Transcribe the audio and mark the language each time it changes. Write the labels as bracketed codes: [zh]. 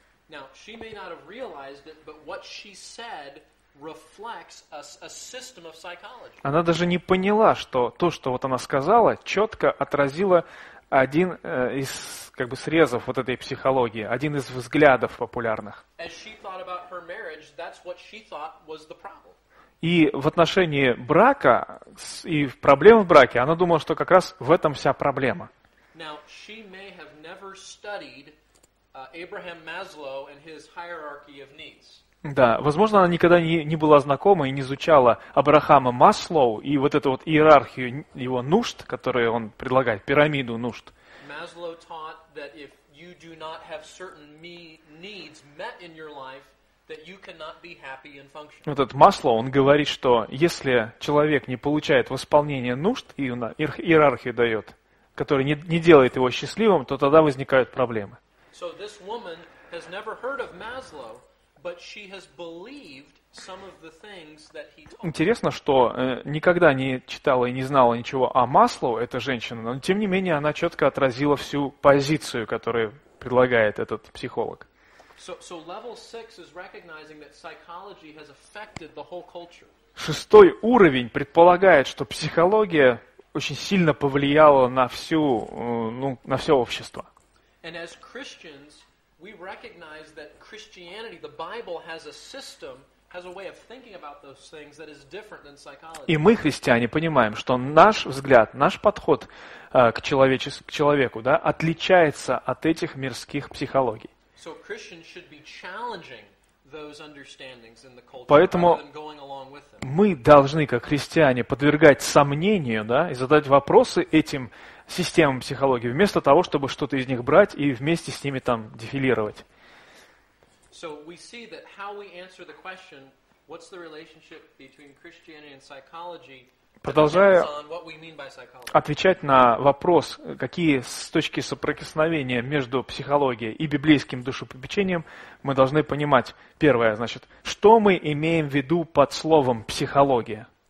[en] Now, she may not have realized it, but what she said reflects a system of psychology. [ru] Она даже не поняла, что то, что вот она сказала, четко отразило один из как бы срезов вот этой психологии, один из взглядов популярных. [en] As she thought about her marriage, that's what she thought was the problem. [ru] И в отношении брака и проблем в браке она думала, что как раз в этом вся проблема. [en] Now, she may have never studied Abraham Maslow and his hierarchy of needs. [ru] Да, возможно, она никогда не была знакома и не изучала Абрахама Маслоу и вот эту вот иерархию его нужд, которую он предлагает, пирамиду нужд. [en] Maslow taught that if you do not have certain needs met in your life, that you cannot be happy and functional. [ru] Вот этот Маслоу, он говорит, что если человек не получает восполнение нужд, и иерархию дает, к который не делает его счастливым, то тогда возникают проблемы. [en] So this woman has never heard of Maslow, but she has believed some of the things that he taught. [ru] Интересно, что никогда не читала и не знала ничего о Маслоу, эта женщина, но тем не менее она четко отразила всю позицию, которую предлагает этот психолог. [en] So level 6 is recognizing that psychology has affected the whole culture. [ru] Шестой уровень предполагает, что психология очень сильно повлияла на всю, ну, на все общество. [en] And as Christians, we recognize that Christianity, the Bible, has a system, has a way of thinking about those things that is different than psychology. [ru] И мы, христиане, понимаем, что наш взгляд, наш подход к человеку, да, отличается от этих мирских психологий. [en] So Christians should be challenging those understandings in the culture. [ru] Поэтому мы должны, как христиане, подвергать сомнению, да, и задать вопросы этим системам психологии, вместо того, чтобы что-то из них брать и вместе с ними там дефилировать. [en] So we see that how we answer the question, what's the relationship between Christianity and psychology? [ru] Продолжая отвечать на вопрос, какие с точки соприкосновения между психологией и библейским душепопечением, мы должны понимать, первое, значит, что мы имеем в виду под словом «психология»?